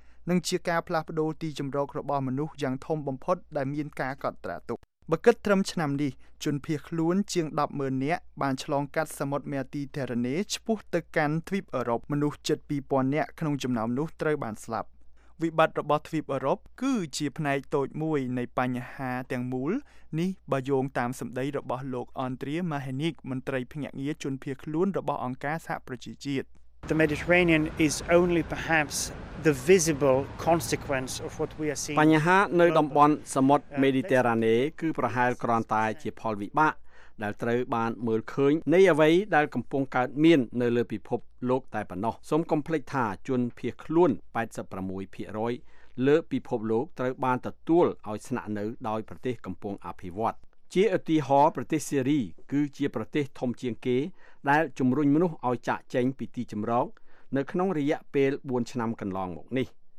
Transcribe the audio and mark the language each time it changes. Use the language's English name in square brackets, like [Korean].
[Khmer] នឹងជាការផ្លាស់ប្ដូរទីជំរករបស់មនុស្សយ៉ាងធំបំផុតដែលមានការកត់ត្រាទុកបើគិតត្រឹមឆ្នាំនេះជនភៀសខ្លួនជាង10ម៉ឺននាក់បានឆ្លងកាត់សមុទ្រមេទីទែរ៉ាណេឆ្ពោះទៅកាន់ទ្វីបអឺរ៉ុបមនុស្សជិត 2,000 នាក់ក្នុងចំណោមនោះត្រូវបានស្លាប់វិបត្តិរបស់ទ្វីបអឺរ៉ុបគឺជាផ្នែកតូចមួយនៃបញ្ហាទាំងមូលនេះបើយោងតាមសម្ដីរបស់លោកអនត្រីម៉ាហេនីកមន្ត្រីភ្នាក់ងារជនភៀសខ្លួនរបស់អង្គការសហប្រជាជាតិ [English] The Mediterranean is only perhaps the visible consequence of what we are seeing. [Khmer] បញ្ហានៅតំបន់សមុទ្រមេឌីទែរ៉ាណេគឺប្រហែលគ្រាន់តែជាផលវិបាកដែលត្រូវបានមើលឃើញនៃអ្វីដែលកំពុងកើតមាននៅលើពិភពលោកតែប៉ុណ្ណោះសូមកុំភ្លេចថាជនភៀសខ្លួន 86% លើពិភពលោកត្រូវបានទទួលឲ្យស្នាក់នៅដោយប្រទេសកំពុងអភិវឌ្ឍជាឧទាហរណ៍ប្រទេសសេរីគឺជាប្រទេសធំជាងគេដែលជំរុញមនុស្សឲ្យចាកចេញពីទីជំរកនៅក្នុងរយៈពេល4ឆ្នាំកន្លងមកនេះ